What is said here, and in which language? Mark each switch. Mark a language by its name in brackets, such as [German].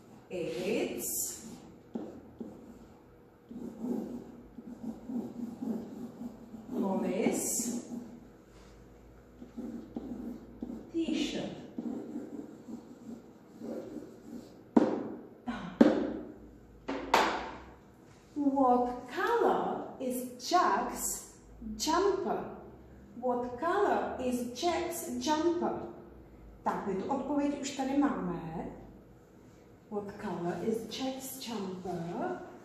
[English] It's Polly's t-shirt. What color is Jack's jumper? What color is Jack's jumper? [Czech] Tak, my tu odpověď už tady máme. [English] What color is Jack's jumper?